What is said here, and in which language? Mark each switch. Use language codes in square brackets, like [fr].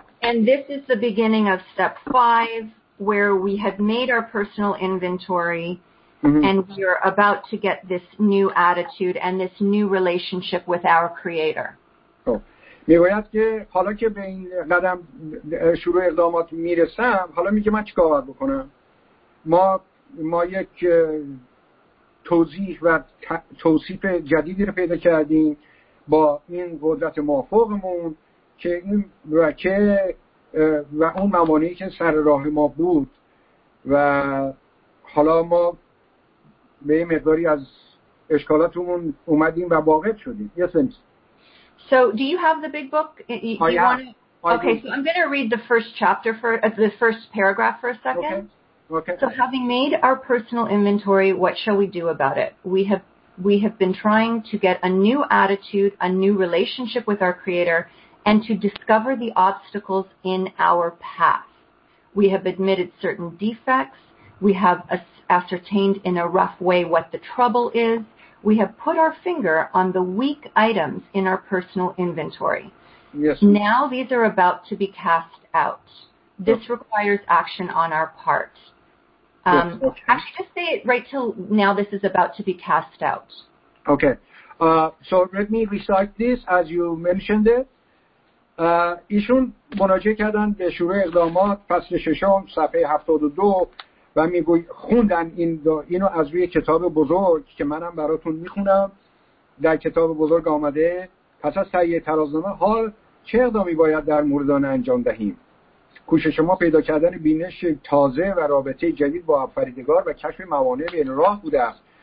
[en] And this is the beginning of step 5, where we had made our personal inventory, mm-hmm. and we are about to get this new attitude and this new relationship with our creator. [fa] میگوید که حالا که به این قدم شروع اقدامات میرسم، حالا میگه من چی کار بکنم؟ ما یک توضیح و توصیف جدیدی رو پیدا کردیم با این قدرت موافقمون که این وکه و اون ممانعی که سر راه ما بود و حالا ما به این مقداری از اشکالاتمون اومدیم و واقف شدیم. [en] Yes, please. So do you have the big book? Okay, so I'm going to read the first chapter for the first paragraph for a second. Okay. Okay. So having made our personal inventory, what shall we do about it? We have been trying to get a new attitude, a new relationship with our Creator, and to discover the obstacles in our path. We have admitted certain defects. We have ascertained in a rough way what the trouble is. We have put our finger on the weak items in our personal inventory. Yes. Now these are about to be cast out. This requires action on our part. Yes, okay. Actually, just say it right till now. This is about to be cast out. Okay. So let me recite this as you mentioned it. [fa] ایشون مراجعه کردن به شروع اقدامات فصل ششم صفحه 72 و میگوی خوندن اینو از روی کتاب بزرگ که منم براتون میخونم. در کتاب بزرگ آمده پس از تهیه ترازنامه حال چه اقدامی باید در مورد آن انجام دهیم؟ کوشش ما پیدا کردن بینش تازه و رابطه جدید با آفریدگار و کشف موانع بین راه بوده است.